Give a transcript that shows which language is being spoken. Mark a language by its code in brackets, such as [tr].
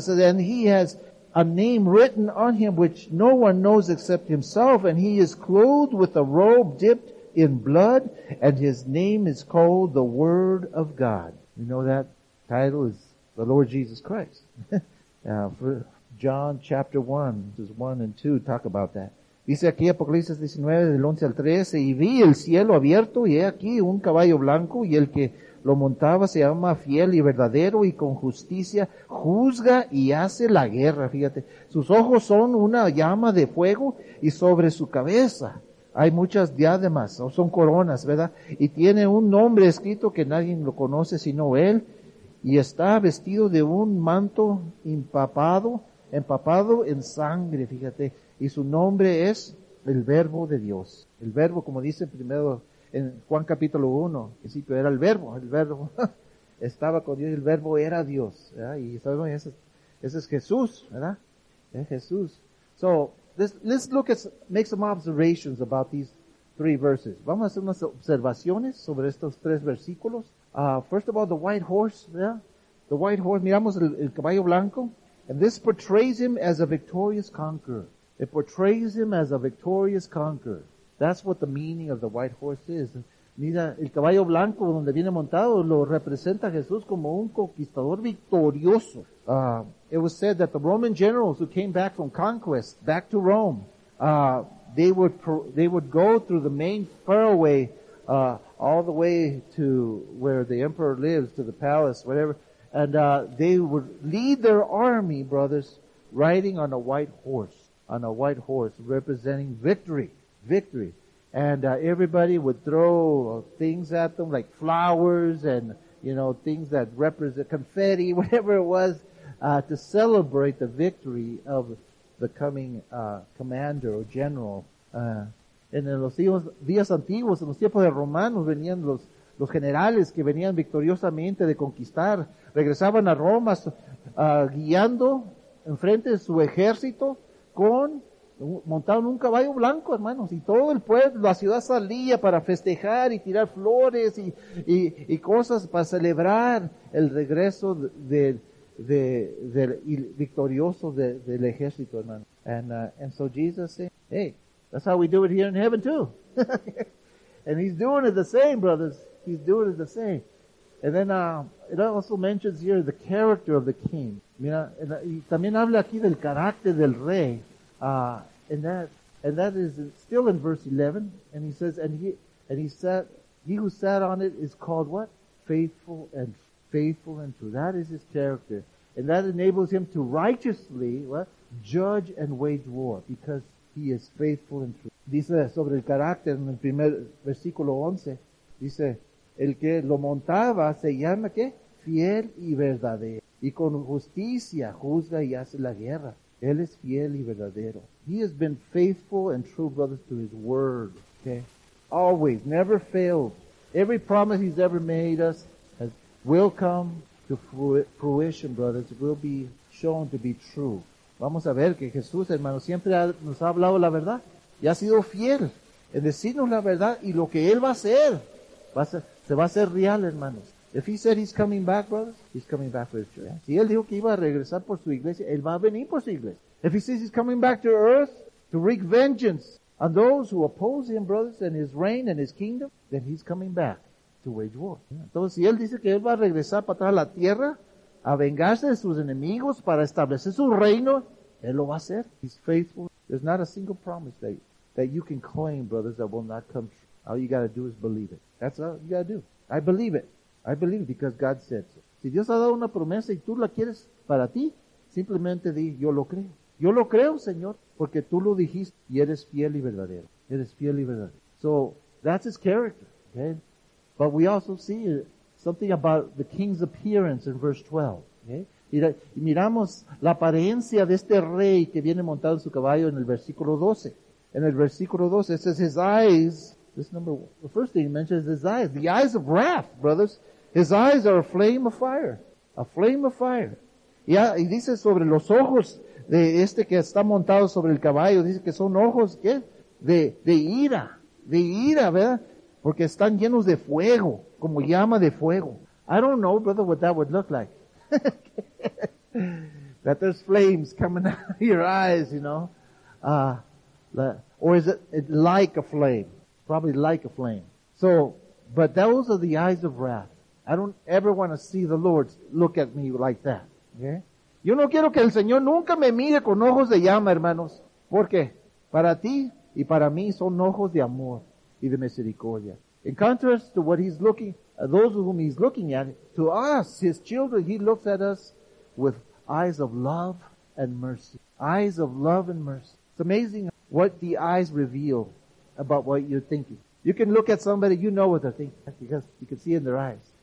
[en] It says, and he has a name written on him which no one knows except himself, and he is clothed with a robe dipped in blood, and his name is called the Word of God. You know that title is the Lord Jesus Christ. For John chapter 1, verses 1 and 2 talk about that. [es] Dice aquí Apocalipsis 19, del 11 al 13, y vi el cielo abierto, y he aquí un caballo blanco, y el que lo montaba se llama fiel y verdadero, y con justicia juzga y hace la guerra. Fíjate, sus ojos son una llama de fuego, y sobre su cabeza hay muchas diademas, o son coronas, ¿verdad? Y tiene un nombre escrito que nadie lo conoce sino él, y está vestido de un manto empapado en sangre, fíjate. Y su nombre es el Verbo de Dios. El Verbo, como dice primero en Juan capítulo 1, en principio era el Verbo estaba con Dios, y el Verbo era Dios, ¿verdad? Y sabemos, ese es Jesús, ¿verdad? Es Jesús. [en] So, let's look at, make some observations about these three verses. [es] Vamos a hacer unas observaciones sobre estos tres versículos. [en] First of all, the white horse, yeah? The white horse, [es] miramos el caballo blanco. [en] And this portrays him as a victorious conqueror. It portrays him as a victorious conqueror. That's what the meaning of the white horse is. [es] Mira, el caballo blanco donde viene montado lo representa Jesús como un conquistador victorioso. [en] It was said that the Roman generals who came back from conquest, back to Rome, they would go through the main thoroughway, all the way to where the emperor lives, to the palace, whatever. And, they would lead their army, brothers, riding on a white horse, representing victory, And, everybody would throw things at them, like flowers and, you know, things that represent confetti, whatever it was, to celebrate the victory of the coming, commander or general. [es] En los días antiguos, en los tiempos de romanos, venían los generales que venían victoriosamente de conquistar, regresaban a Roma guiando enfrente de su ejército con montado en un caballo blanco, hermanos, y todo el pueblo, la ciudad salía para festejar y tirar flores y cosas para celebrar el regreso del victorioso del ejército, hermano. [en] And so Jesus said, hey, that's how we do it here in heaven too. And he's doing it the same, brothers. He's doing it the same. And then it also mentions here the character of the king. [es] Mira, y también habla aquí del carácter del rey. [en] And that is still in verse 11. And he says, he who sat on it is called what? Faithful and true. That is his character. And that enables him to righteously judge and wage war because he is faithful and true. [es] Dice sobre el carácter en el primer versículo 11. Dice, el que lo montaba se llama, ¿qué? Fiel y verdadero. Y con justicia juzga y hace la guerra. Él es fiel y verdadero. [en] He has been faithful and true, brothers, to his word. Okay? Always, never failed. Every promise he's ever made us will come to fruition, brothers. Will be shown to be true. [es] Vamos a ver que Jesús, hermano, siempre nos ha hablado la verdad y ha sido fiel en decirnos la verdad y lo que Él va a hacer. Se va a hacer real, hermanos. [en] If he said he's coming back, brothers, he's coming back for his church. Yeah. [es] Si Él dijo que iba a regresar por su iglesia, Él va a venir por su iglesia. [en] If he says he's coming back to earth to wreak vengeance on those who oppose him, brothers, and his reign and his kingdom, then he's coming back to wage war. [es] Entonces, si él dice que él va a regresar para atrás a la tierra a vengarse de sus enemigos para establecer su reino, él lo va a hacer. [en] He's faithful. There's not a single promise that you can claim, brothers, that will not come true. All you got to do is believe it. That's all you got to do. I believe it because God said so. [es] Si Dios ha dado una promesa y tú la quieres para ti, simplemente di, yo lo creo. Yo lo creo, Señor, porque tú lo dijiste y eres fiel y verdadero. Eres fiel y verdadero. [en] So, that's his character. Okay? But we also see something about the king's appearance in verse 12. Okay? [es] Y miramos la apariencia de este rey que viene montado en su caballo en el versículo 12. En el versículo 12, [en] it says his eyes, this number one, the first thing he mentions is his eyes. The eyes of wrath, brothers. His eyes are a flame of fire. A flame of fire. [es] Y dice sobre los ojos de este que está montado sobre el caballo, dice que son ojos, ¿qué? De ira, ¿verdad? Porque están llenos de fuego, como llama de fuego. [en] I don't know, brother, what that would look like. That there's flames coming out of your eyes, you know. Or is it like a flame? Probably like a flame. So, but those are the eyes of wrath. I don't ever want to see the Lord look at me like that. Okay? [es] Yo no quiero que el Señor nunca me mire con ojos de llama, hermanos. Porque para ti y para mí son ojos de amor y de misericordia. [en] In contrast to what he's looking, those whom he's looking at, to us, his children, he looks at us with eyes of love and mercy. Eyes of love and mercy. It's amazing what the eyes reveal about what you're thinking. You can look at somebody, you know what they're thinking, because you can see in their eyes.